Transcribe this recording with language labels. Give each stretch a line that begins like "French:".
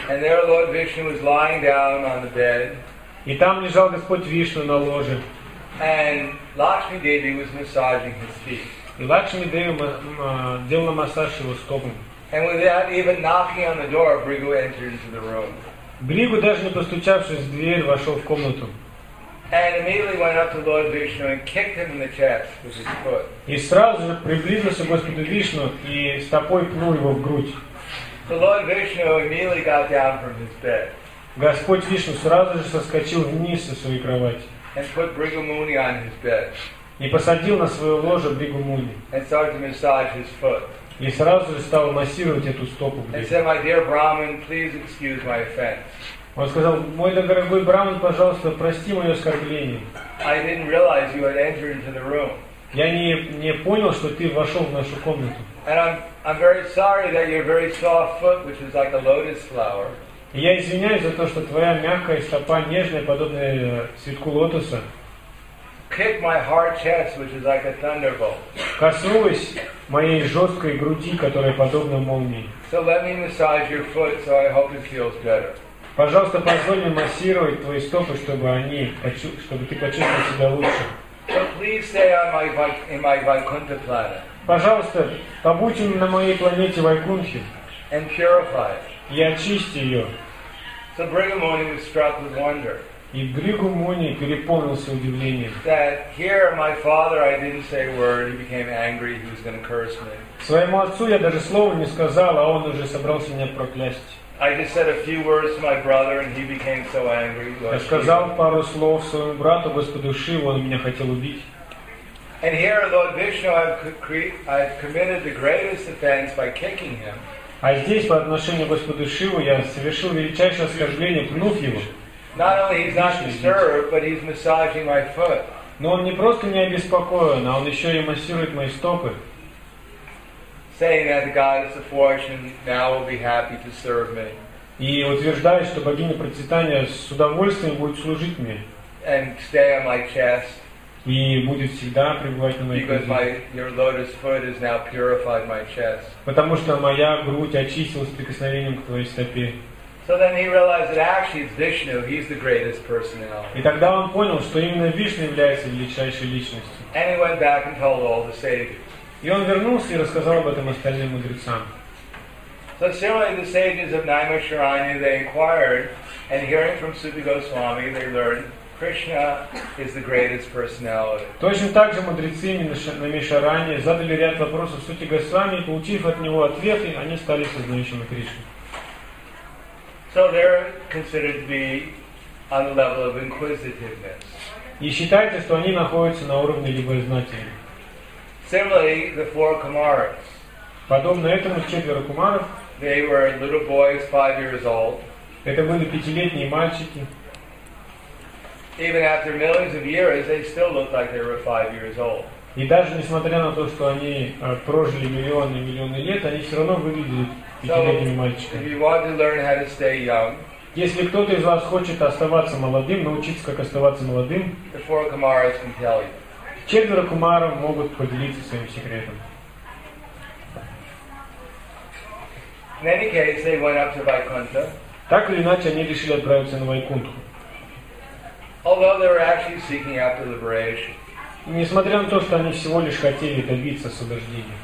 English: And there Lord Vishnu was lying down on the bed.
Russian: И там лежал Господь Вишну на ложе.
English: And Lakshmi Devi was massaging his feet.
Russian: И Лакшми Деви делала массаж его стопам.
English: And without even knocking on the door, Bhriga entered into the room.
Russian: Бригу даже не постучавшись в дверь, вошел в комнату.
English: And immediately went up to Lord Vishnu and kicked him in the chest with his foot.
Russian: И сразу же приблизился к Господу Вишну и стопой пнул его в грудь.
English: So Lord Vishnu immediately got down from his bed.
Russian: Господь Вишну сразу же соскочил вниз со своей кровати.
English: And put Bhriga Muni on his bed.
Russian: И посадил на свое ложе Бригу Муни.
English: And started to massage his foot.
Russian: И сразу же стал массировать эту стопу.
English: He said, "My dear Brahmin, please excuse my offense."
Russian: Он сказал: "Мой дорогой Брахман, пожалуйста, прости мое оскорбление."
English: I didn't realize you had entered into the room.
Russian: Я не понял, что ты вошел в нашу комнату.
English: And I'm very sorry that your very soft foot, which is like a lotus flower.
Russian: Я извиняюсь за то, что твоя мягкая стопа, нежная, подобная цветку лотоса.
English: Kick my hard chest, which is like a thunderbolt.
Russian: Коснулась моей жесткой груди, которая подобна молнии.
English: So let me massage your foot, so I hope it feels better.
Russian: Пожалуйста, позволь мне массировать твои стопы, чтобы ты почувствовал себя лучше.
English: So please stay on my Vaikuntha planet.
Russian: Пожалуйста, побудь на моей планете Вайкунхе.
English: and purify it.
Russian: И очисти ее.
English: So Bhrigamuni was struck with wonder.
Russian: И Бригумуни переполнился удивлением.
English: That here my father, I didn't say a word. He became angry. He was going to curse me.
Russian: Своему отцу я даже слова не сказал, а он уже собрался меня проклясть.
English: I just said a few words to my brother, and he became so angry.
Russian: Я сказал пару слов своему брату, Господу Шиву, он меня хотел убить.
English: And here, Lord Vishnu, I've committed the greatest offense by kicking him.
Russian: А здесь по отношению к Господу Шиву я совершил величайшее оскорбление, пнув его.
English: Not only he's not disturbed, but he's massaging my foot.
Russian: Но он не просто не обеспокоен, а он еще и массирует мои стопы.
English: Saying that the goddess of fortune now will be happy to serve me.
Russian: И утверждает, что богиня процветания с удовольствием будет служить мне.
English: And stay on my chest.
Russian: И будет всегда пребывать на моей груди.
English: Because your lotus foot has now purified my chest.
Russian: Потому что моя грудь очистилась прикосновением к твоей стопе.
English: So then he realized that actually it's Vishnu. He's the greatest personality.
Russian: И тогда он понял, что именно Вишна является величайшей личностью.
English: And he went back and told all the sages.
Russian: И он вернулся и рассказал об этом остальным мудрецам.
English: So similarly, the sages of Naimisharanya, they inquired, and hearing from Supa Goswami, they learned Krishna is the greatest personality.
Russian: Точно так же мудрецы Наймишараньи задали ряд вопросов Сути Госвами, и получив от него ответы, они стали сознающими Кришну.
English: So they're considered to be on the level of inquisitiveness.
Russian: И считается, что они находятся на уровне любознательности.
English: Similarly, the four Kumaras.
Russian: Подобно этому четверо кумаров.
English: They were little boys, 5 years old.
Russian: Это были пятилетние мальчики.
English: Even after millions of years, they still looked like they were 5 years old.
Russian: И даже несмотря на то, что они прожили миллионы и миллионы лет, они все равно выглядели пятилетними мальчиками.
English: If you want to learn how to stay young.
Russian: Если кто-то из вас хочет оставаться молодым, научиться как оставаться молодым.
English: The four Kumaras can tell you.
Russian: Четверо кумаров могут поделиться своим секретом.
English: In any case, they went up to Vaikuntha.
Russian: Так или иначе, они решили отправиться на Вайкунту.
English: Although they were actually seeking after liberation.
Russian: Несмотря на то, что они всего лишь хотели добиться освобождения.